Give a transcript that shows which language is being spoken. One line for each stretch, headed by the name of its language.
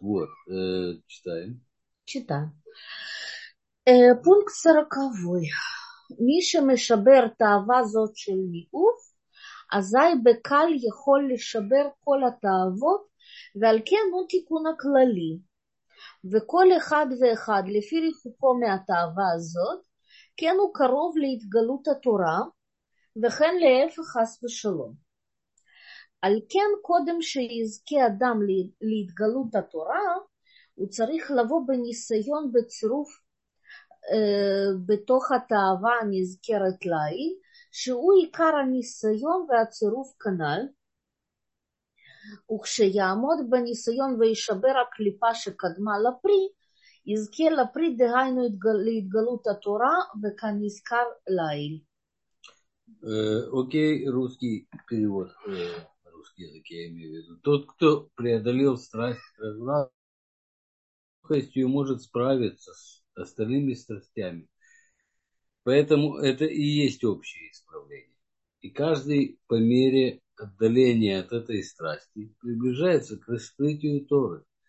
Russian: вот, читаем. Читаю. Пункт 40.
Hebrew: Миша мешабер таава зот шель ниуф, азай бекаль яхоль лешабер кол התאוות, ועל כן הוא תיקון הכללי. וכל אחד ואחד לפי ריחוקו מהתאווה הזאת, כן הוא קרוב להתגלות התורה, וכן להפך חס ושלום. על כן קודם שיזכה אדם להתגלות התורה, הוא צריך לבוא בניסיון בצירוף בתוך התאווה הנזכרת לעיל, שהוא עיקר הניסיון והצירוף כנ"ל, וכשיעמוד בניסיון וישבר הקליפה שקדמה לפרי, יזכה לפרי דהיינו להתגלות התורה וכנזכר לעיל.
Russian: Окей, русский перевод, русский язык, я имею в виду. Тот, кто преодолел страсть разврата, легкостью может справиться с остальными страстями. Поэтому это и есть общее исправление. И каждый по мере отдаления от этой страсти приближается к раскрытию Торы.